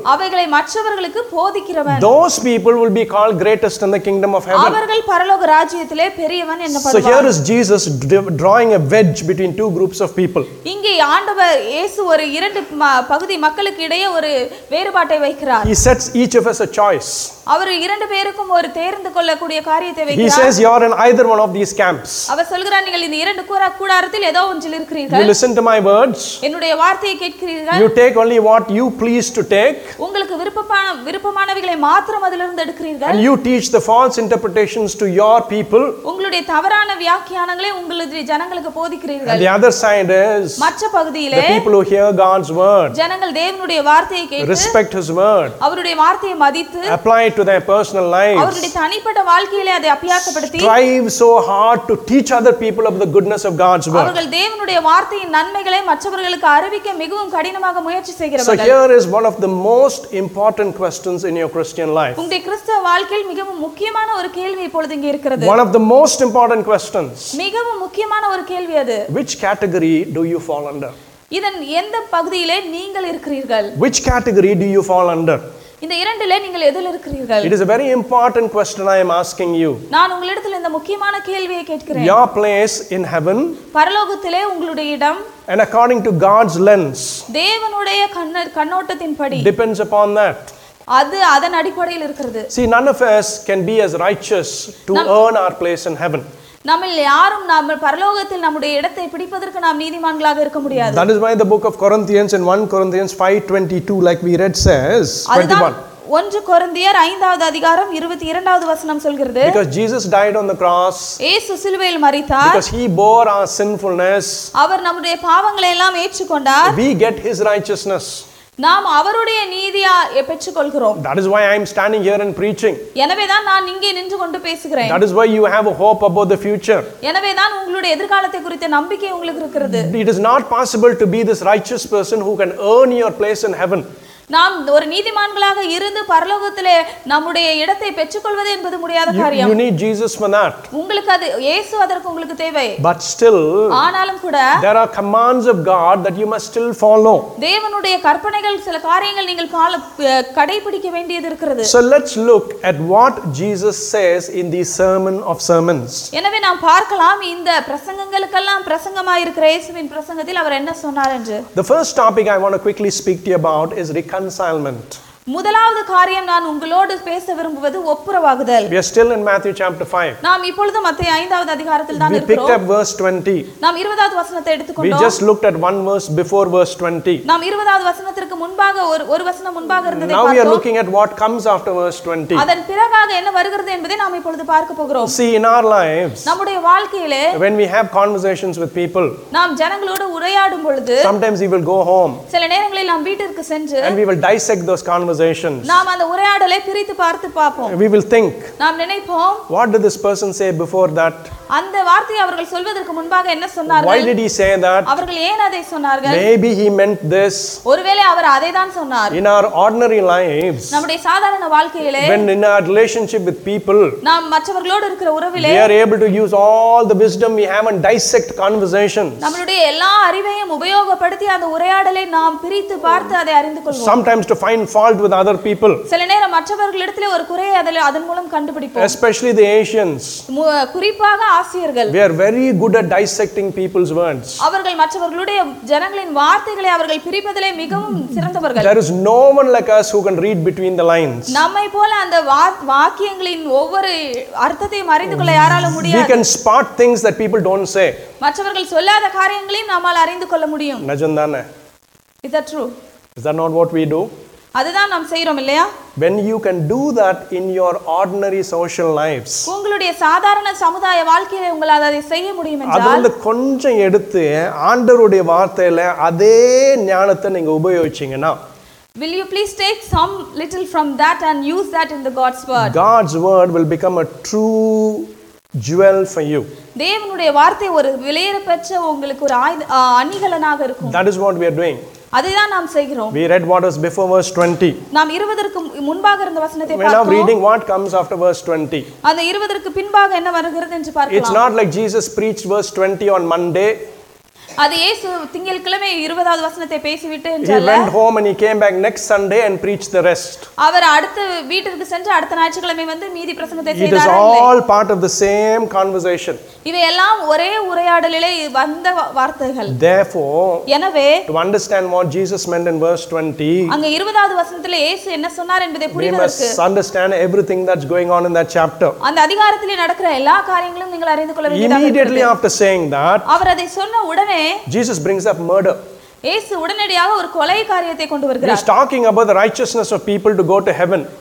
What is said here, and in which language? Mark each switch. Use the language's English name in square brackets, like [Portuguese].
[Tamil] அவைகளை மற்றவர்களுக்கு போதிக்கிறவன், [English] those people will be called greatest in the kingdom of heaven, [Tamil] அவர்கள் பரலோக ராஜ்யத்திலே பெரியவன் எனப்படுவான். [English] So here is Jesus drawing a wedge between two groups of people. [Tamil] இங்கே ஆண்டவர் இயேசு ஒரு இரண்டு பகுதி மக்களுக்கு இடையே ஒரு வேறுபாட்டை வைக்கிறார். [English] He sets each of us a choice. [Tamil] அவர் இரண்டு பேருக்கும் ஒரு தேர்ந்து கொள்ளக்கூடிய காரியத்தை வைக்கிறார். [English] He says you are in either one of these camps. [Tamil] அவர் சொல்கிறார், நீங்கள் இந்த இரண்டு கூற கூடாரத்தில் ஏதோ ஒன்றில் இருக்கிறீர்கள். [English] You listen to my words. [Tamil] என்னுடைய வார்த்தையை கேட்கிறீர்கள். [English] You take only what you please to take. [Tamil] உங்களுக்கு விருப்பமானவைகளை மாத்திரம் அதிலிருந்து எடுக்கிறீர்கள். [English] And you teach the false interpretations to your people. [Tamil] உங்களுடைய தவறான வியாக்கியானங்களை உங்களுடைய ஜனங்களுக்கு போதிக்கிறீர்கள். [English] And the other side is, [Tamil] மற்ற பகுதியிலே, [English] the people who hear God's word, [Tamil] ஜனங்கள் தேவனுடைய வார்த்தையை கேட்டு, [English] respect his word, [Tamil] அவருடைய வார்த்தையை மதித்து, [English] apply it to their personal lives, [Tamil] அவருடைய தனிப்பட்ட வாழ்க்கையிலே அதை அபியாசப்படுத்தி, [English] strive so hard to teach other people of the goodness of God's word. [Tamil] அவர்கள் தேவனுடைய வார்த்தையின் நன்மைகளை மற்றவர்களுக்கு அறிவிக்க மிகவும் கடினமாக முயற்சி செய்கிறவர்கள். [English] So here is one of the most important questions in your Christian life. [Tamil] உங்களுடைய கிறிஸ்தவ வாழ்க்கையில் மிகவும் முக்கியமான ஒரு கேள்வி இப்பொழுது இங்கே இருக்கிறது. [English] One of the most important questions. [Tamil] மிகவும் முக்கியமான ஒரு கேள்வி அது. [English] Which category do you fall under? [Tamil] இதன் எந்த பகுதியிலே நீங்கள் இருக்கிறீர்கள்? [English] Which category do you fall under? [Tamil] இந்த இரண்டிலே நீங்கள் எதில் இருக்கிறீர்கள்? [English] It is a very important question I am asking you. [Tamil] நான் உங்களிடத்தில் இந்த முக்கியமான கேள்வியை கேட்கிறேன். [English] Your place in heaven, [Tamil] பரலோகத்திலே உங்களுடைய இடம், [English] and according to God's lens, [Tamil] தேவனுடைய கண்ணோட்டத்தின்படி, [English] depends upon that. [Tamil] அது அதன் அடிப்படையில் இருக்கிறது. [English] See, none of us can be as righteous to earn our place in heaven. [Tamil] நம்மில் யாரும் நாம் பரலோகத்தில் நம்முடைய இடத்தை பிடிப்பதற்கு நாம் நீதிமான்களாக இருக்க முடியாது. [English] That is why the book of Corinthians in 1 Corinthians 5:22 like we read says 21. [Tamil] 1 கொரிந்தியர் 5வது அதிகாரம் 22வது வசனம் சொல்கிறது. [English] Because Jesus died on the cross. [Tamil] இயேசு சிலுவையில் மரித்தார். [English] Because he bore our sinfulness. [Tamil] அவர் நம்முடைய பாவங்களை எல்லாம் ஏற்றுக்கொண்டார். [English] We get his righteousness. [Tamil] நாம் அவருடைய நீதியா பெற்றுக்கொள்கிறோம். [English] That is why I am standing here and preaching. [Tamil] எனவே தான் நான் இங்கே நின்று கொண்டு பேசுகிறேன். [English] That is why you have a hope about the future. [Tamil] எனவே தான் உங்களுடைய எதிர்காலத்தை குறித்த நம்பிக்கை உங்களுக்கு இருக்கிறது. [English] It is not possible to be this righteous person who can earn your place in heaven. [Tamil] நாம் ஒரு நீதிமான்களாக இருந்து பரலோகத்திலே நம்முடைய இடத்தை பெற்றுக்கொள்வது என்பது முடியாத காரியம். [English] You need Jesus for that. [Tamil] உங்களுக்கு அது இயேசு அதற்கு உங்களுக்கு தேவை. [English] But still, [Tamil] ஆனாலும் கூட, [English] there are commands of God that you must still follow. [Tamil] தேவனுடைய கற்பனைகள் சில காரியங்கள் நீங்கள் கடைபிடிக்க வேண்டியது இருக்கிறது. [English] So let's look at what Jesus says in the Sermon of Sermons. [Tamil] எனவே நாம் பார்க்கலாம் இந்த பிரசங்கங்களுக்கெல்லாம் பிரசங்கமாய் இருக்கிற இயேசுவின் பிரசங்கத்தில் அவர் என்ன சொன்னார் என்று. [English] The first topic I want to quickly speak to you about is reconcilement. [Tamil] முதலாவது காரியம் நான் உங்களோடு பேச விரும்புவது ஒப்புரவாகுதல். [English] We are still in Matthew chapter 5. [Tamil] நாம் இப்பொழுது மத்தேயு 5வது அதிகாரத்தில் தான் இருக்கிறோம். [English] We picked up verse 20. [Tamil] நாம் 20வது வசனத்தை எடுத்துக்கொண்டோம். [English] We just looked at one verse before verse 20. [Tamil] நாம் 20வது வசனத்திற்கு முன்பாக ஒரு வசனம் முன்பாக இருந்ததை பார்த்தோம். [English] Now we are looking at what comes after verse 20. [Tamil] அதன் பிறகாக என்ன வருகிறது என்பதை நாம் இப்பொழுது பார்க்க போகிறோம். [English] See, in our lives, [Tamil] நம்முடைய வாழ்க்கையிலே, [English] when we have conversations with people, [Tamil] நாம் ஜனங்களோடு உரையாடும் பொழுது, [English] sometimes we will go home, [Tamil] சில நேரங்களில் நாம் வீட்டிற்கு சென்று, [English] and we will dissect those conversations. [Tamil] நாம் அந்த உரையாடலை பிரித்து பார்த்து பார்ப்போம். [English] We will think. [Tamil] நாம் நினைப்போம். [English] What did this person say before that? [Tamil] அந்த வார்த்தையை அவர்கள் சொல்வதற்கு முன்பாக என்ன சொன்னார்கள்? [English] Why did he say that? [Tamil] அவர்கள் ஏன் அதை சொன்னார்கள்? [English] Maybe he meant this. [Tamil] ஒருவேளை அவர் அதைதான் சொன்னார். [English] In our ordinary lives, [Tamil] நம்முடைய சாதாரண வாழ்க்கையிலே, [English] when in our relationship with people, [Tamil] நாம் மற்றவர்களோடு இருக்கிற உறவிலே, [English] we are able to use all the wisdom we have and dissect conversations. [Tamil] நம்மளுடைய எல்லா அறிவையும் உபயோகப்படுத்தி அந்த உரையாடலை நாம் பிரித்து பார்த்து அதை அறிந்து கொள்வோம். [English] Sometimes to find fault with other people. [Tamil] செலனேர மற்றவர்களிடத்திலே ஒரு குறையை அதன் மூலம் கண்டுபிடிப்போம். [English] Especially the Asians. [Tamil] குறிப்பாக ஆசியர்கள். [English] We are very good at dissecting people's words. [Tamil] அவர்கள் மற்றவர்களுடைய ஜனங்களின் வார்த்தைகளை அவர்கள் பிரிப்பதிலே மிகவும் சிறந்தவர்கள். [English] There is no one like us who can read between the lines. [Tamil] நம்மை போல அந்த வாக்கியங்களின் ஒவ்வொரு அர்த்தத்தையும் அறிந்து கொள்ள யாரால முடியும். [English] We can spot things that people don't say. [Tamil] மற்றவர்கள் சொல்லாத காரியங்களையும் நம்மால் அறிந்து கொள்ள முடியும். நிஜம்தானே? [English] Is that true? Is that not what we do? [Tamil] அதுதான் நாம் செய்றோம் இல்லையா? [English] When you can do that in your ordinary social lives. [Tamil] உங்களுடைய சாதாரண சமூக வாழ்க்கையில உங்களால அதை செய்ய முடியும் என்றால் அதுல கொஞ்சம் எடுத்து ஆண்டவருடைய வார்த்தையில அதே ஞானத்தை நீங்க உபயோகிச்சீங்கனா [English] Will you please take some little from that and use that in the God's word? God's word will become a true jewel for you. [Tamil] தேவனுடைய வார்த்தை ஒரு விலையேறப்பெற்ற உங்களுக்கு ஒரு அணிகலனாக இருக்கும். [English] That is what we are doing. [Tamil] அதுதான் நாம் செய்கிறோம். [English] We read what was before verse 20. [Tamil] நாம் 20க்கு முன்பாக இருந்த வசனத்தை பார்க்கிறோம். [English] We are reading what comes after verse 20. [Tamil] அந்த 20க்கு பின்பாக என்ன வருகிறது என்று பார்க்கலாம். [English] It's not like Jesus preached verse 20 on Monday. [Tamil] அது இயேசு திங்கட்கிழமை 20வது வசனத்தை பேசிவிட்டு என்றல்ல. [English] He went home and he came back next Sunday and preached the rest. [Tamil] அவர் அடுத்த வீட்டிற்கு சென்று அடுத்த ஞாயிற்றுக்கிழமை வந்து மீதி பிரசங்கத்தை செய்தார். [English] It is all part of the same conversation. [Tamil] இவையெல்லாம் ஒரே உரையாடலிலே வந்த வார்த்தைகள். [English] Therefore, [Tamil] எனவே [English] to understand what Jesus meant in verse 20. [Tamil] அங்க 20வது வசனத்திலே இயேசு என்ன சொன்னார் என்பதை புரிவதற்கு. [English] We must understand everything that's going on in that chapter. [Tamil] அந்த அதிகாரத்திலே நடக்கிற எல்லா காரியங்களையும் நீங்கள் அறிந்து கொள்ள வேண்டியது. [English] Immediately after saying that, [Tamil] அவர் அதை சொன்ன உடனே [English] Jesus brings up murder. [Tamil] இயேசு உடனடியாக ஒரு கொலை காரியத்தை கொண்டு வருகிறார். [English] He is talking about the righteousness of people to go to heaven.